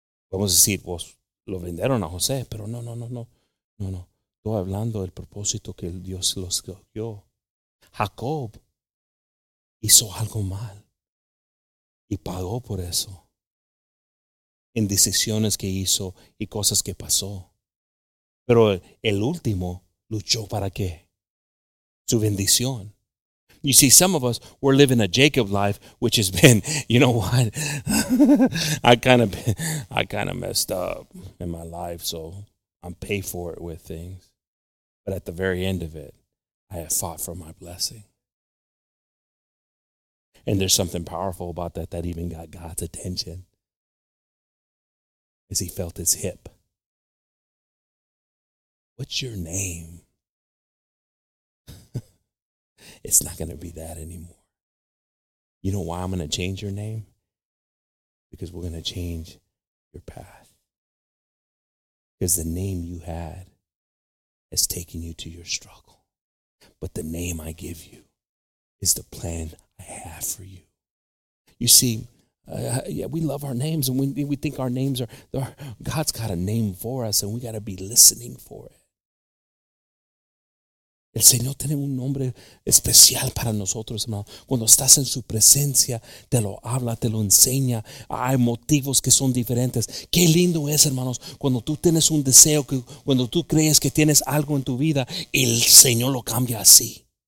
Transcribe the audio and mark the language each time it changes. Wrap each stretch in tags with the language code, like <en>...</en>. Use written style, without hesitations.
<es>Podemos decir, pues, lo vendieron a José, pero no. Estoy hablando del propósito que Dios los dio. Jacob hizo algo mal y pagó por eso. En decisiones que hizo y cosas que pasó. Pero el último... ¿Luchó para qué? su bendición.</es> <en>You see, some of us, we're living a Jacob life, which has been, you know what? I kind of messed up in my life, so I'm pay for it with things. But at the very end of it, I have fought for my blessing. And there's something powerful about that that even got God's attention. As he felt his hip. What's your name? It's not going to be that anymore. You know why I'm going to change your name? Because we're going to change your path. Because the name you had has taken you to your struggle. But the name I give you is the plan I have for you. You see, we love our names, and we think our names are, God's got a name for us, and we got to be listening for it.</en> <es>El Señor tiene un nombre especial para nosotros, hermano. Cuando estás en su presencia, te lo habla, te lo enseña. Hay motivos que son diferentes. Qué lindo es, hermanos, cuando tú tienes un deseo, que cuando tú crees que tienes algo en tu vida, el Señor lo cambia así.</es>